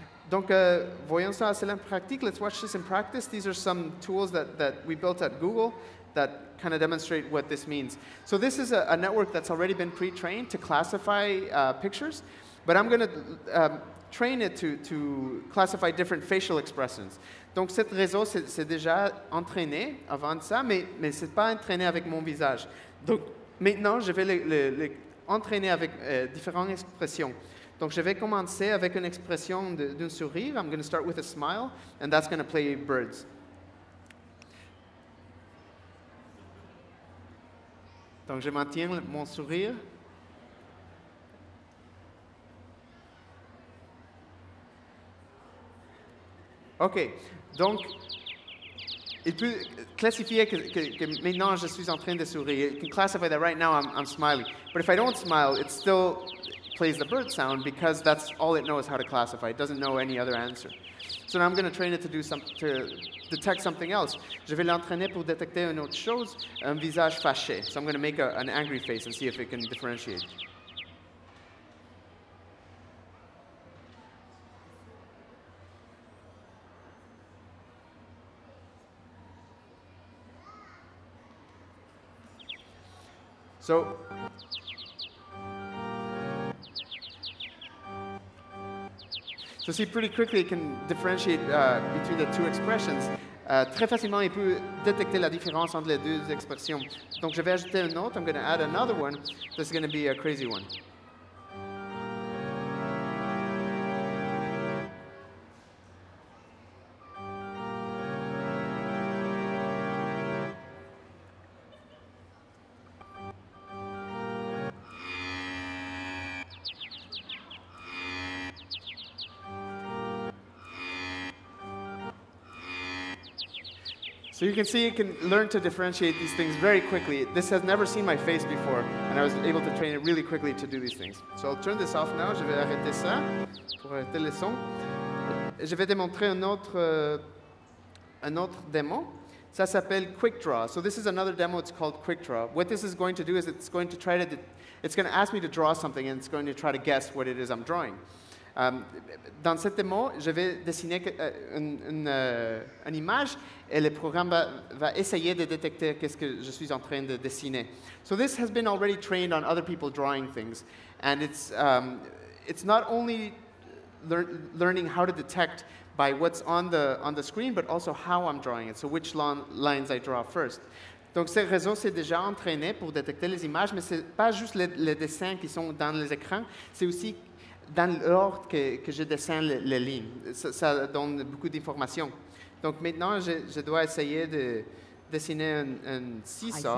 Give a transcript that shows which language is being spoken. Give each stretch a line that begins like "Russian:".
French: Donc, voyons ça assez en pratique.
English: Let's watch this in practice. These are some tools that we built at Google that kind of demonstrate what this means. So this is a network that's already been pre-trained to classify pictures. But I'm going to train it to classify different facial expressions.
French: Donc, cet réseau s'est déjà entraîné avant ça, mais ce n'est pas entraîné avec mon visage. Donc, maintenant, je vais l'entraîner avec différentes expressions. Donc, je vais commencer avec une expression d'un sourire.
English: I'm going to start with a smile, and that's going to play birds.
French: Donc, je maintiens mon sourire. OK, donc, il peut classifier que maintenant je suis en train de sourire.
English: It can classify that right now I'm smiling. But if I don't smile, it still plays the bird sound because that's all it knows how to classify. It doesn't know any other answer. So now I'm going to train it to do some to detect something else.
French: Je vais l'entraîner pour détecter une autre chose, un visage fâché.
English: So I'm going to make an angry face and see if it can differentiate. So, see, pretty quickly it can differentiate between the two expressions.
French: Très facilement, il peut détecter la différence entre les deux expressions. Donc, je vais ajouter une autre.
English: I'm going to add another one. This is going to be a crazy one. So you can see it can learn to differentiate these things very quickly. This has never seen my face before, and I was able to train it really quickly to do these things. So I'll turn this off now.
French: Je vais arrêter ça pour arrêter le son. Je vais démontrer un autre démo. Ça s'appelle Quick Draw.
English: So this is another demo. It's called Quick Draw. What this is going to do is it's going to ask me to draw something, and it's going to try to guess what it is I'm drawing.
French: Dans cette démo, je vais dessiner une image et le programme va essayer de détecter qu'est-ce que je suis en train de dessiner.
English: So this has been already trained on other people drawing things, and it's not only learning how to detect by what's on the screen, but also how I'm drawing it. So which lines I draw first.
French: Donc ce réseau s'est déjà entraîné pour détecter les images, mais c'est pas juste les dessins qui sont dans les écrans, c'est aussi dans l'ordre que je dessine les lignes. Ça donne beaucoup d'informations. Donc maintenant, je dois essayer de dessiner un seesaw.